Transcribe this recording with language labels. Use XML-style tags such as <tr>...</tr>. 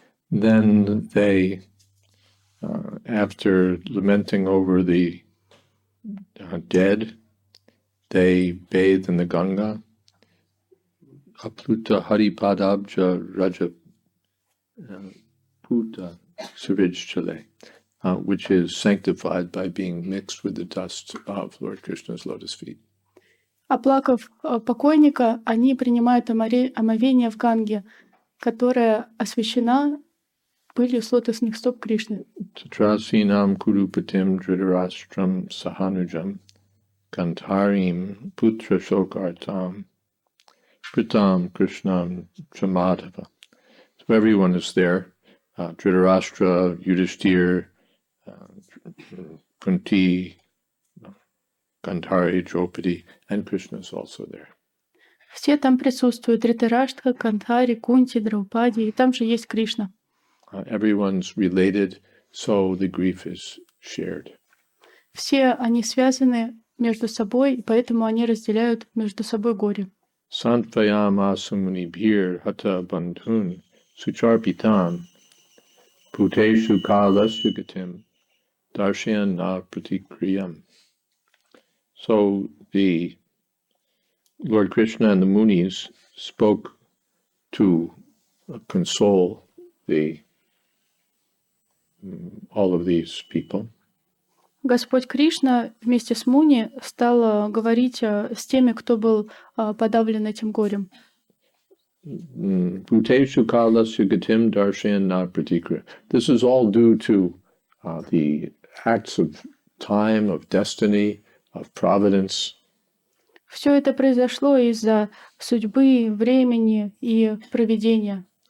<en>Then they, after lamenting over the dead, they bathe in the Ganga.</en> <sa>Apluta Haripadabja Raja Puta Sarijchale,</sa> <en>which is sanctified by being mixed with the dust of Lord Krishna's lotus feet.</en> <ru>Оплакав покойника, они принимают омовение в Ганге, которая освящена пылью с лотосных стоп Кришны.</ru> <sa>Татрасинам курупатим дридараштрам саханужам кантарим путрашокартам притам кришнам чамадхава.</sa> <en>So everyone is there. Dhritarashtra, Yudhishthir, Kunti, Gandhari, Draupadi, and Krishna is also there.</en> <ru>Все там присутствуют: Дритараштха, Гандхари, Кунти, Драупади, и там же есть Кришна.</ru> <en>Everyone's related, so the grief is shared.</en> <ru>Все они связаны между собой, и поэтому они разделяют между собой горе.</ru> <sa>Сантвайам асумни бхир хата бандхун сучарпитам путешу каласу гатим даршиан на пратикриям.</sa> <en>So the Lord Krishna and the Munis spoke to console the all of these people.</en> <ru>Господь Кришна вместе с Муни стал говорить с теми, кто был подавлен этим горем.</ru> <sa>Путешу каласу гатим даршиан на пратикриям.</sa> <en>This is all due to the acts of time, of destiny, of providence.</en> <ru>Все это произошло из-за судьбы, времени и провидения.</ru>